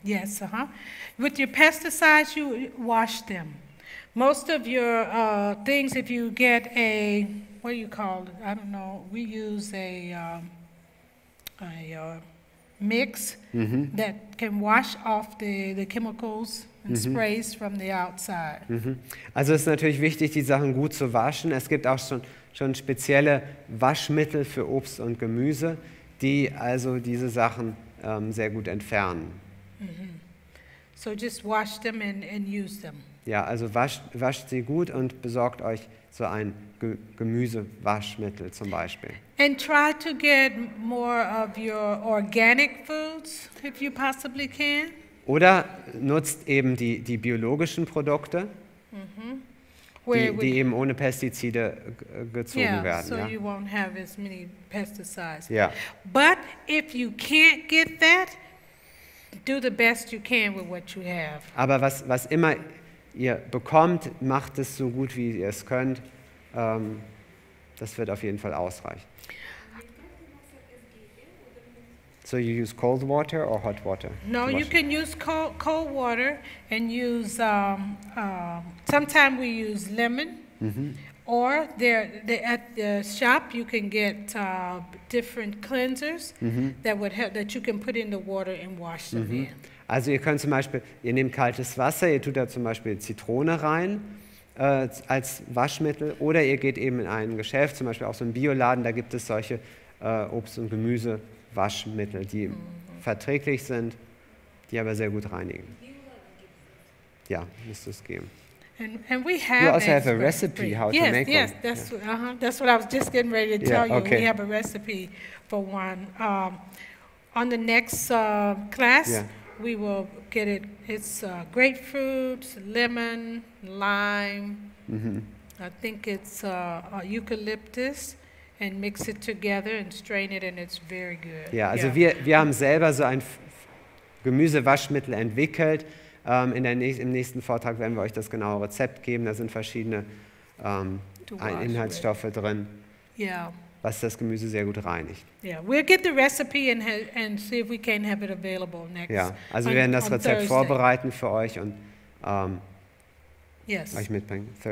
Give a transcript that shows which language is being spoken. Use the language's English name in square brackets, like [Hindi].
[English] Yes, With your pesticides, you wash them. Most of your things, if you get a, what do you call it? I don't know. We use a mix that can wash off the chemicals. And sprays from the outside. [German] Also es ist natürlich wichtig, die Sachen gut zu waschen. Es gibt auch schon spezielle Waschmittel für Obst und Gemüse, die also diese Sachen sehr gut entfernen. [English] So just wash them and use them. [German] Ja, also wascht sie gut und besorgt euch so ein Gemüsewaschmittel zum Beispiel. [English] And try to get more of your organic foods, if you possibly can. [German] Oder nutzt eben die biologischen Produkte, die eben ohne Pestizide gezogen werden. [English] So you won't have as many pesticides. Yeah. But if you can't get that, do the best you can with what you have. [German] Aber was immer ihr bekommt, macht es so gut, wie ihr es könnt. Das wird auf jeden Fall ausreichen. [English] So you use cold water or hot water? No, you can use cold water and use, sometimes we use lemon. Or at the shop you can get different cleansers that would help, that you can put in the water and wash them in. [German] Also ihr könnt zum Beispiel, ihr nehmt kaltes Wasser, ihr tut da zum Beispiel Zitrone rein als Waschmittel, oder ihr geht eben in ein Geschäft, zum Beispiel auch so einen Bioladen, da gibt es solche Obst- und Gemüse. Waschmittel, die verträglich sind, die aber sehr gut reinigen. Ja, müsste es geben. [English] And we have you also have a recipe how to make one. Yes, that's, that's what I was just getting ready to tell you. Okay. We have a recipe for one. On the next class, we will get it. It's grapefruit, lemon, lime, I think it's eucalyptus. And mix it together and strain it, and it's very good. [German] Ja, also wir haben selber so ein Gemüsewaschmittel entwickelt. Im nächsten Vortrag werden wir euch das genaue Rezept geben. Da sind verschiedene Inhaltsstoffe drin, was das Gemüse sehr gut reinigt. [English] Yeah, we'll get the recipe and see if we can have it available next. [German] Ja, also wir werden das Rezept vorbereiten für euch und euch mitbringen.